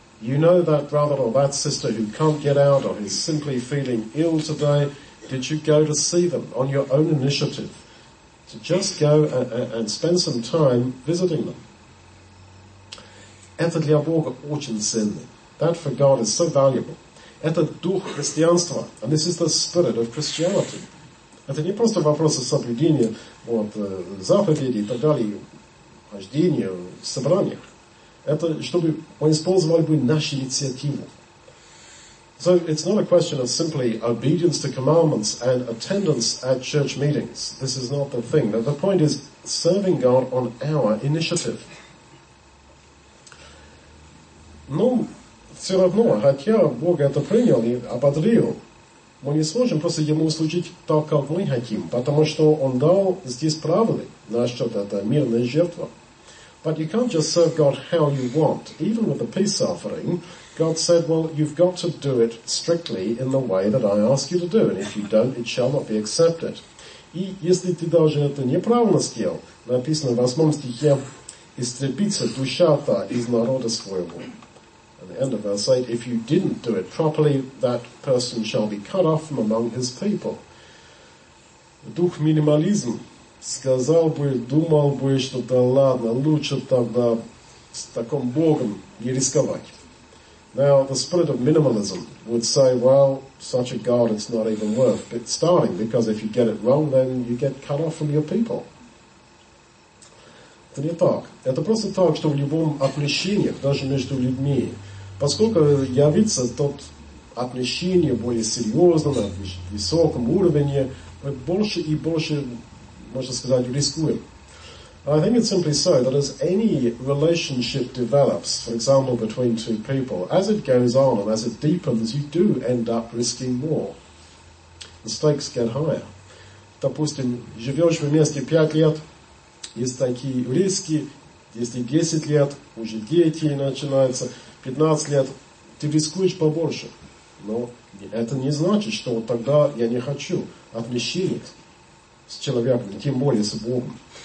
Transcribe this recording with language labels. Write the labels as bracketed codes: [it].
[en] You know that brother or that sister who can't get out or is simply feeling ill today, did you go to see them on your own initiative to just go and spend some time visiting them. [ru] Это для Бога очень ценно. [en] That for God is so valuable. [ru] Это дух христианства. [en] And this is the spirit of Christianity. [ru] Это не просто вопрос о соблюдении вот, заповедей и так далее, рождения, собраниях. Это чтобы мы использовали бы нашу инициативу. [en] So it's not a question of simply obedience to commandments and attendance at church meetings. This is not the thing. But the point is serving God on our initiative. [ru] Но все равно, хотя Бог это принял и ободрил, мы не сможем просто Ему служить так, как мы хотим, потому что Он дал здесь правила насчет этой мирной жертвы. [en] But you can't just serve God how you want. Even with the peace offering, God said, well, you've got to do it strictly in the way that I ask you to do, and if you don't, it shall not be accepted. [ru] И если ты даже это неправильно сделал, написано в 8 стихе, истребится душа та из народа своего. [en] At the end of verse 8, if you didn't do it properly, that person shall be cut off from among his people. [ru] Дух минимализм. Сказал бы, думал бы, что да ладно, лучше тогда с таким Богом не рисковать. [en] Now, the spirit of minimalism would say, well, such a God, it's not even worth it starting, because if you get it wrong, then you get cut off from your people. [ru] Это не так. Это просто так, что в любом отношениях, даже между людьми, поскольку явится тот отношение более серьезно, на высоком уровне, мы больше и больше, можно сказать, рискуем. [en] I think it's simply so that as any relationship develops, for example, between two people, as it goes on and as it deepens, you do end up risking more. The stakes get higher. [ru] Допустим, живешь вместе 5 лет, есть такие риски, если 10 лет, уже дети начинаются, 15 лет, ты рискуешь побольше. Но это не значит, что вот тогда я не хочу отношения с человеком, тем более с Богом.